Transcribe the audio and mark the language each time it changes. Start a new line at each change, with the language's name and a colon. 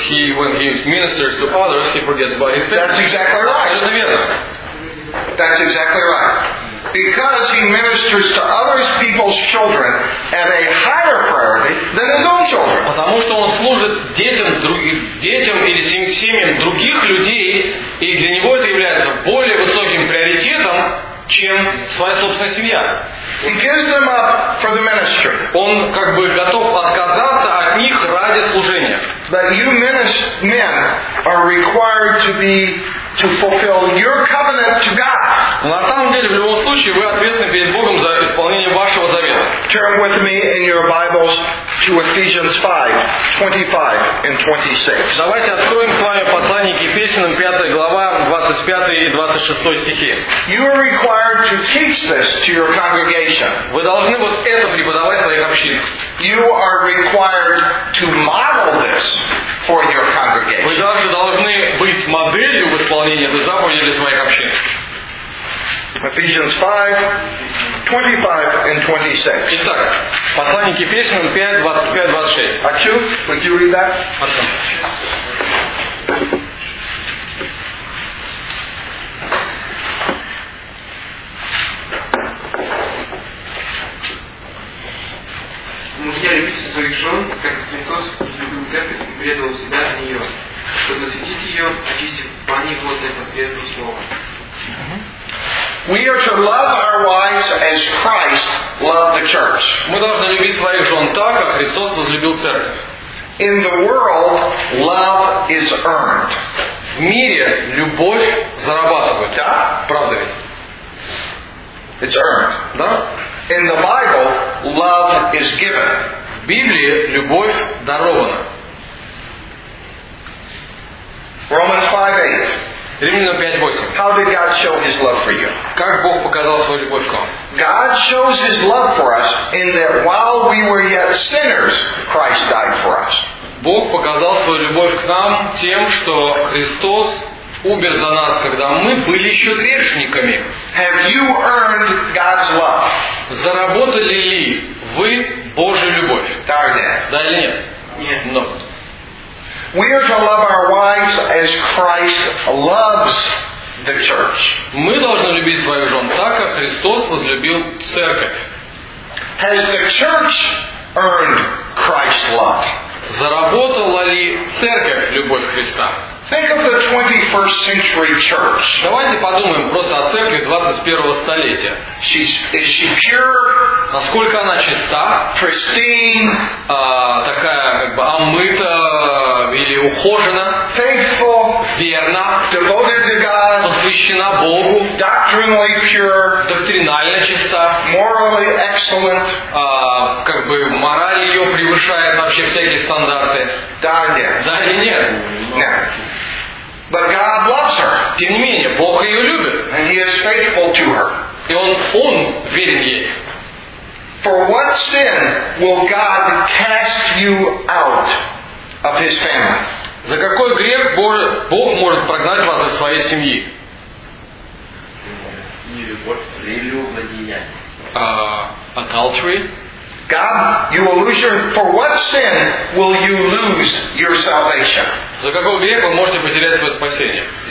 English: he, when he ministers to others, he forgets about his parents. That's exactly right. That's exactly right. Because he ministers to other people's children at a higher priority than his own children.
Russian: Потому что он служит детям или семьям других людей, и для него это является более высоким приоритетом, чем своя собственная семья.
English: He gives them up for the ministry.
Russian: Он как бы готов отказаться от них ради служения.
English: But you men are required to be to fulfill your covenant to God.
Russian: На самом деле, в любом случае, вы ответственны перед Богом за исполнение вашего завета.
English: Turn with me in your Bibles to Ephesians 5, 25 and 26.
Russian: Давайте откроем с вами послание к Ефесянам, 5 глава, 25 и 26 стихи.
English: You are required to teach this to your congregation.
Russian: Вы должны вот это преподавать своих общинах.
English: You are required to model this for your congregation.
Russian: Вы также должны быть моделью в исполнении этой заповеди для своих общин.
English: Ephesians 5:25-26.
Russian: Итак, послание к Ефесянам 5:25-26.
English: Ачу, would you read that?
Russian: Ачу. Мужья, любите своих жен, как Христос возлюбил церковь и предал себя за нее, чтобы осветить ее, очистив пани водной посредством слова.
English: We are to love our wives as Christ loved the church.
Russian: Мы должны любить своих жен так, как Христос возлюбил церковь.
English: In the world, love is earned.
Russian: В мире любовь зарабатывают. Да? Правда ведь?
English: It's earned.
Russian: Да?
English: In the Bible, love is given.
Russian: В Библии любовь дарована.
English: Romans 5:8.
Russian: Римлянам 5:8.
English: How did God show His love for you?
Russian: Как Бог показал свою любовь к вам?
English: God shows His love for us in that while we were yet sinners, Christ died for us.
Russian: Бог показал свою любовь к нам тем, что Христос умер за нас, когда мы были еще грешниками.
English: Have you earned God's love?
Russian: Заработали ли вы Божью любовь? Да или нет? Да или нет? Нет. Но.
English: We are to love our wives as Christ loves the church.
Russian: Мы должны любить своих жен так, как Христос возлюбил церковь.
English: Has the church earned Christ's love?
Russian: Заработала ли церковь любовь Христа?
English: Think of the 21st century church.
Russian: Давайте подумаем просто о церкви 21-го столетия.
English: Is she pure?
Russian: Насколько она чиста?
English: Pristine?
Russian: Такая как бы омыта или ухожена?
English: Faithful?
Russian: Верна?
English: Devoted to God?
Russian: Посвящена Богу?
English: Doctrinally pure?
Russian: Доктринально чиста?
English: Morally excellent?
Russian: Как бы мораль ее превышает вообще всякие стандарты? Да или нет? Да или нет? Нет.
English: But God loves her.
Russian: Тем не менее, Бог ее любит.
English: And He is faithful to her.
Russian: И он верен ей.
English: For what sin will God cast you out of His family?
Russian: За какой грех Бог может прогнать вас из своей семьи? Не любовь, прелюбодеяние.
English: Adultery. God, you will lose your. For what sin will you lose your salvation?
Russian: За какой грех вы можете потерять свое спасение?